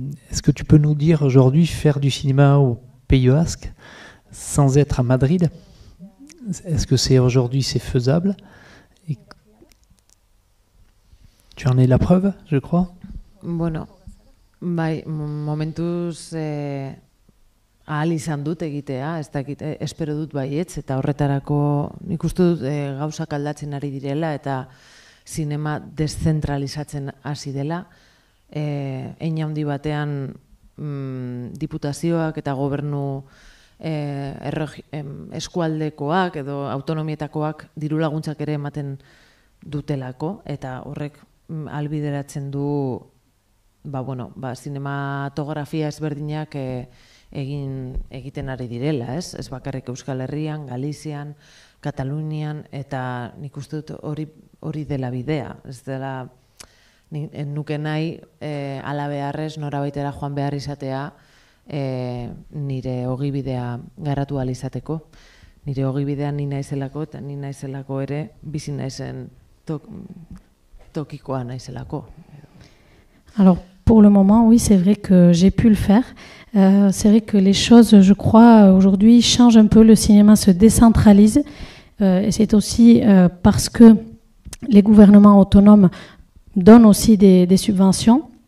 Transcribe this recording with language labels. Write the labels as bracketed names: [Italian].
[French] Est-ce que tu peux nous dire aujourd'hui faire du cinéma au Pays Basque sans être à Madrid, est-ce que c'est aujourd'hui c'est faisable? Et tu en es la preuve, je crois. [Basque] Bueno, bai, momentuz ahal izan dut egitea, ez dakit, espero dut baietz, eta horretarako nik uste dut gauzak aldatzen ari direla, eta zinema deszentralizatzen hasi dela, hein handi batean diputazioak eta gobernu eskualdekoak edo autonomietakoak diru laguntzak ere ematen dutelako eta horrek albideratzen du zinematografia ezberdinak egiten ari direla, ez bakarrik Euskal Herrian, Galizian, Katalunian eta nik uste dut hori dela bidea, ez dela nuke nahi ala beharrez norabaitera joan behar izatea nire ogibidea garatu alizateko. Nire ogibidea ni naizelako eta ni naizelako ere bizi naizen tokikoa naizelako. [French] Alors, pour le moment, oui, c'est vrai que j'ai pu le faire. C'est vrai que les choses, je crois, aujourd'hui changent un peu, le cinéma se décentralise. Et c'est aussi parce que les gouvernements autonomes donnent aussi des subventions.